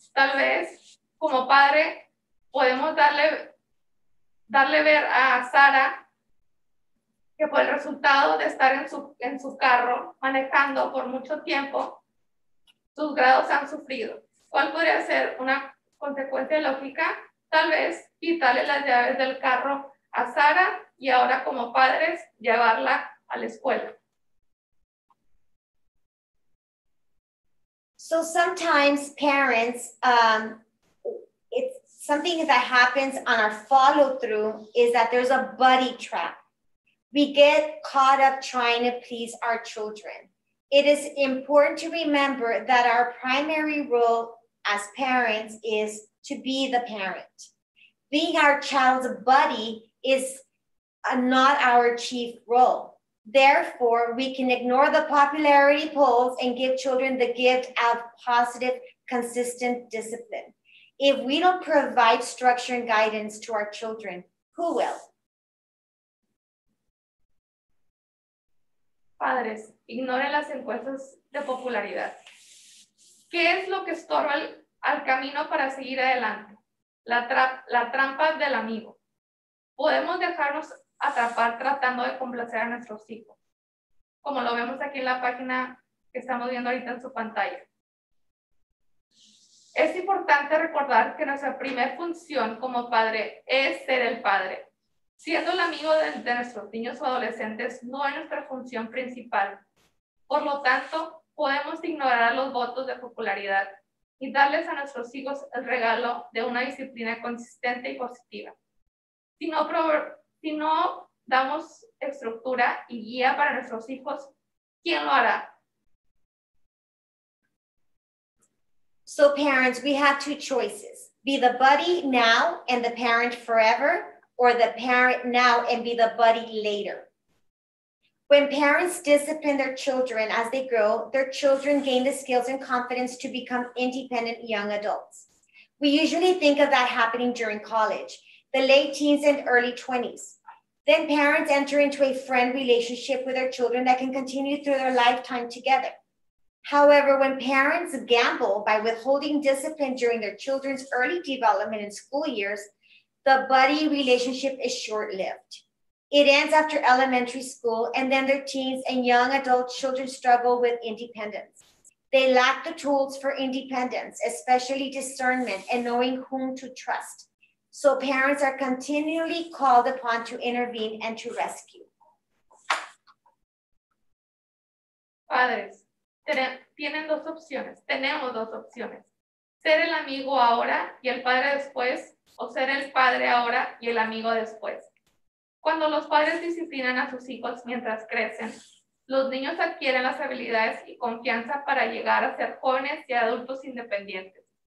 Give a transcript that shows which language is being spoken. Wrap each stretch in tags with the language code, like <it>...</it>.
<es>Tal vez, como padre, podemos darle ver a Sara que por el resultado de estar en su carro, manejando por mucho tiempo, sus grados han sufrido. ¿Cuál podría ser una consecuencia lógica? Tal vez quitarle las llaves del carro a Sara y ahora como padres llevarla a la escuela.</es> <en>So sometimes parents, it's something that happens on our follow through is that there's a buddy trap. We get caught up trying to please our children. It is important to remember that our primary role as parents is to be the parent. Being our child's buddy is not our chief role. Therefore, we can ignore the popularity polls and give children the gift of positive, consistent discipline. If we don't provide structure and guidance to our children, who will?</en> <es>Padres, ignore las encuestas de popularidad. ¿Qué es lo que estorba al camino para seguir adelante? La trampa del amigo. Podemos dejarnos atrapar tratando de complacer a nuestros hijos, como lo vemos aquí en la página que estamos viendo ahorita en su pantalla. Es importante recordar que nuestra primera función como padre es ser el padre. Siendo el amigo de nuestros niños o adolescentes no es nuestra función principal. Por lo tanto, podemos ignorar los votos de popularidad y darles a nuestros hijos el regalo de una disciplina consistente y positiva. Si no damos estructura y guía para nuestros hijos, ¿quién lo hará?</es> <en>So parents, we have two choices. Be the buddy now and the parent forever, or the parent now and be the buddy later. When parents discipline their children as they grow, their children gain the skills and confidence to become independent young adults. We usually think of that happening during college, the late teens and early 20s. Then parents enter into a friend relationship with their children that can continue through their lifetime together. However, when parents gamble by withholding discipline during their children's early development in school years, the buddy relationship is short-lived. It ends after elementary school, and then their teens and young adult children struggle with independence. They lack the tools for independence, especially discernment and knowing whom to trust. So parents are continually called upon to intervene and to rescue.</en> <es>Padres, tenemos dos opciones. Ser el amigo ahora y el padre después, o ser el padre ahora y el amigo después. Cuando los padres disciplinan a sus hijos mientras crecen, los niños adquieren las habilidades y confianza para llegar a ser jóvenes y adultos independientes.</es>